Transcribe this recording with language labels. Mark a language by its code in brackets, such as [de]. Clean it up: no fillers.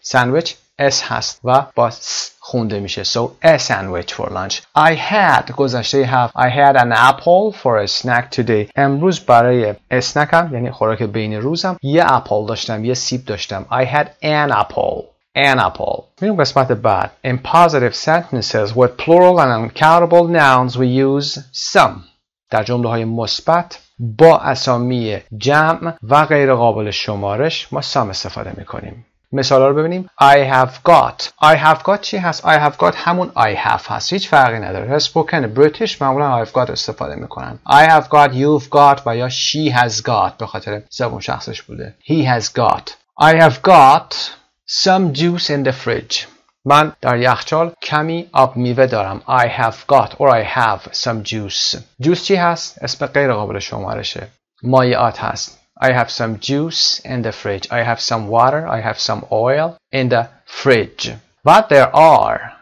[fa] ساندویچ S هست و با S خونده میشه. [en] So a sandwich for lunch. I had گذشته have. I had an apple for a snack today. [fa] امروز برای اسنکم، یعنی خوراک بین روزم، یه اپل داشتم، یه سیب داشتم. [en] I had an apple. An apple. [fa] میرون قسمت بعد. [en] In positive sentences with plural and uncountable nouns we use some. [fa] در جمله های مثبت با اسامی جمع و غیر قابل شمارش ما سام استفاده میکنیم. مثال ها رو ببینیم. [en] I have got. I have got [fa] چی هست؟ [en] I have got [fa] همون [en] I have [fa] هست. هیچ فرقی نداره. [en] Spoken British [fa] معمولا [en] I have got [fa] استفاده میکنن. [en] I have got, you've got [fa] و یا [en] she has got [fa] به خاطر زبون شخصش بوده. [en] He has got. I have got some juice in the fridge. [fa] من در یخچال کمی آب میوه دارم. [en] I have got or I have some juice. [fa] Juice چی هست؟ اسم غیر قابل شمارشه. مایعات هست. [en] I have some juice in the fridge. I have some water. I have some oil in the fridge. But there are.